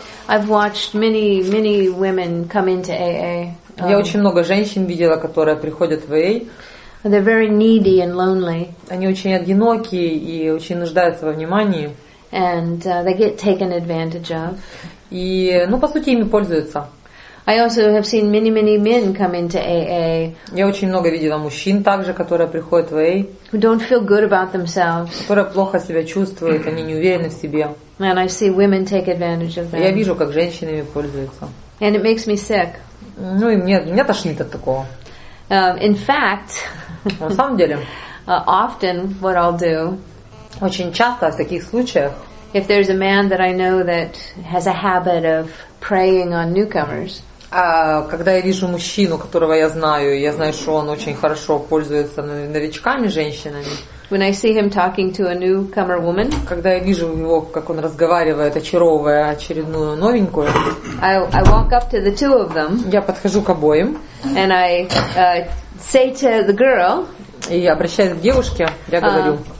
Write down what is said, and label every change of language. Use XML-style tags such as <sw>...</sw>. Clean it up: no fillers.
<en>I've watched many, many women come into AA.</en> <ru>Я очень много женщин видела, которые приходят в AA.</ru> <en>They're very needy and lonely.</en> <ru>Они очень одинокие и очень нуждаются во внимании.</ru> <en>And they get taken advantage of.</en> <ru>И, ну, по сути, ими пользуются.</ru> <en>I also have seen many, many men come into AA.</en> <ru>Я очень много видела мужчин также, которые приходят в AA.</ru> <en>Who don't feel good about themselves.</en> <ru>Которые плохо себя чувствуют, они не уверены в себе.</ru> <en>And I see women take advantage of them.</en> <ru>Я вижу, как женщины ими пользуются.</ru> <en>And it makes me sick.</en> <ru>Ну и мне тошнит от такого.</ru> <en>In fact,</en> <ru>на самом деле,</ru> <en>often what I'll do,</en> <ru>очень часто в таких случаях,</ru> <en>if there's a man that I know that has a habit of preying on newcomers,</en> <ru>когда я вижу мужчину, которого я знаю, что он очень хорошо пользуется новичками, женщинами.</ru> <en>When I see him talking to a newcomer woman,</en> <ru>когда я вижу его, как он разговаривает, очаровывая очередную новенькую,</ru> <en>I walk up to the two of them,</en> <ru>я подхожу к обоим,</ru> <en>and I say to the girl,</en> <ru>и обращаюсь к девушке, я говорю,</ru>